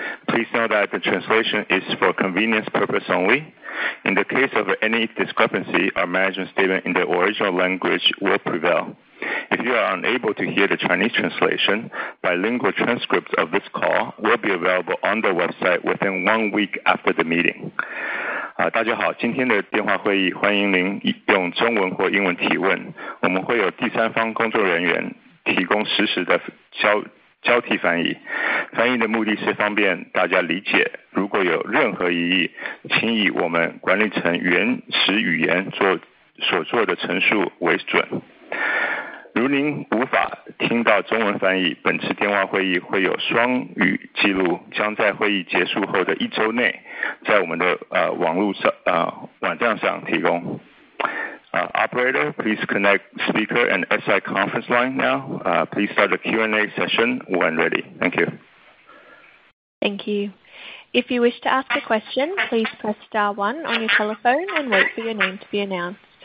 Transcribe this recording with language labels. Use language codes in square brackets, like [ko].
[en] Please note that the translation is for convenience purpose only. In the case of any discrepancy, our management statement in the original language will prevail. If you are unable to hear the Chinese translation, bilingual transcripts of this call will be available on the website within 1 week after the meeting. [zh] 大家好 今天的电话会议, 欢迎您用中文或英文提问, 我们会有第三方工作人员提供实时的交替翻译, 翻译的目的是方便大家理解, 如果有任何疑义, 请以我们管理层原始语言所做的陈述为准。如您无法听到中文翻译, 本次电话会议会有双语记录, 将在会议结束后的一周内, 在我们的网站上提供。 [en] Operator, please connect speaker and SI conference line now. Please start the Q&A session when ready. Thank you. Thank you. If you wish to ask a question, please press star 1 on your telephone and wait for your name to be announced.